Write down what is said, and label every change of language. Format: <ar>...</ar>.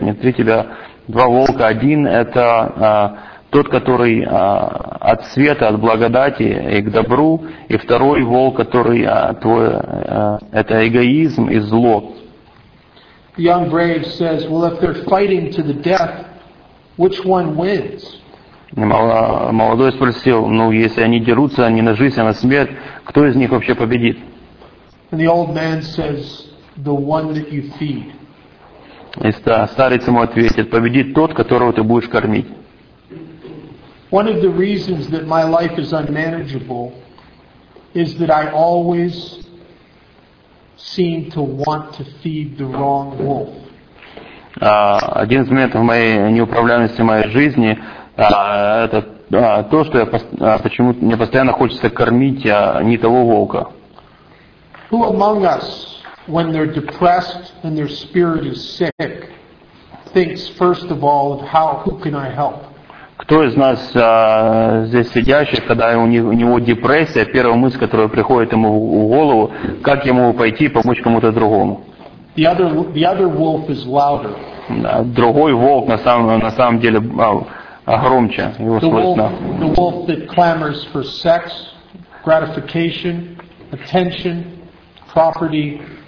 <ru>Внутри тебя два волка. Один — это тот, который от света, от благодати и к добру. И второй волк, который это эгоизм и зло.</ru> <en>The young brave says, well, if they're fighting to the death, which one wins?</en> <ru>Молодой спросил, если они дерутся не на жизнь, а на смерть, кто из них вообще победит?</ru> <en>And the old man says, the one that you feed.</en> <ru>И старец ему ответит, победит тот, которого ты будешь кормить.</ru> <en>One of the reasons that my life is unmanageable is that I always seem to want to feed the wrong wolf.</en> <ru>Один из моментов моей неуправляемости моей жизни это то, что я почему-то мне постоянно хочется кормить не того волка.</ru> <en>Who among us, when they're depressed and their spirit is sick, thinks first of all of how who can I help?</en> <ru>Кто из нас здесь сидящих, когда у него депрессия, первая мысль, которая приходит ему в голову, как ему пойти помочь кому-то другому?</ru> <en>The other wolf is louder.</en> <ru>Другой волк на самом деле громче. Его слышно.</ru> <en>The wolf that clamors for sex, gratification, attention, property.</en>